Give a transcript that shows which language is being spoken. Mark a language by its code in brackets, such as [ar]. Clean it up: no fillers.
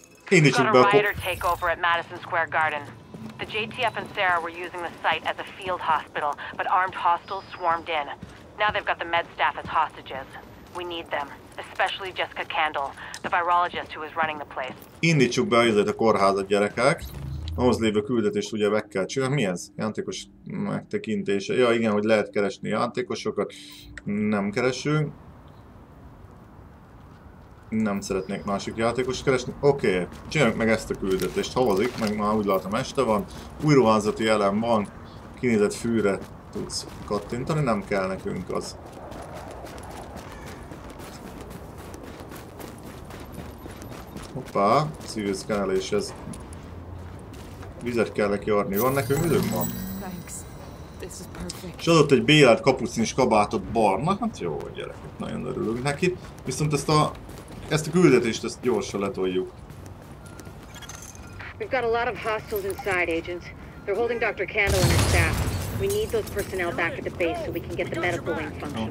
[en] We've got a rioter takeover at Madison Square Garden. The JTF and Sarah were using the site as a field hospital, but armed hostiles swarmed in. Now they've got the med staff as hostages. We need them. Especially Jessica Candle, the virologist who is running the place. [hu] Indítsuk be azért a kórházat, gyerekek. Ahhoz lévő küldetést ugye meg kell csinálni. Mi ez? Játékos megtekintése. Ja, igen, hogy lehet keresni játékosokat. Nem keresünk. Nem szeretnék másik játékost keresni. Oké, okay. Csináljuk meg ezt a küldetést. Havazik, meg már úgy látom este van. Új ruházati elem van. Kinézett fűre tudsz kattintani. Nem kell nekünk az. Hoppá, civil szkenelés ez. Vizet kell neki adni. Van nekünk időm van? És adott egy bélelt kapucinis kabátot barna. Hát jó, gyerekek, nagyon örülünk neki. Viszont ezt a küldetést, ezt gyorsan letoljuk. [en] We've got a lot of hostiles inside, agents. They're holding Dr. Candle and her staff. We need those personnel back at the base so we can get the medical wing functional.